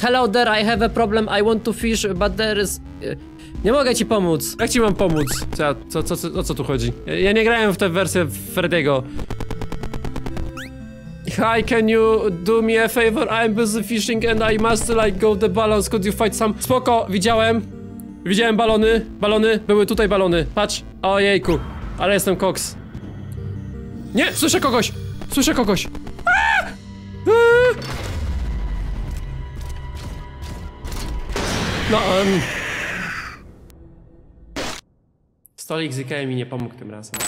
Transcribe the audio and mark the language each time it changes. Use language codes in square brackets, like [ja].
[en] Hello there, I have a problem, I want to fish, but there is... [pl] Nie mogę ci pomóc. Jak ci mam pomóc? O co tu chodzi? Ja nie grałem w tę wersję Freddy'ego. [en] Hi, can you do me a favor? I'm busy fishing and I must like go the balloons. Could you fight some? [pl] Spoko, widziałem. Widziałem balony. Balony, były tutaj balony. Patrz. Ojejku, ale jestem koks. Nie, słyszę kogoś. Słyszę kogoś. No, Stolik z IKEA mi nie pomógł tym razem.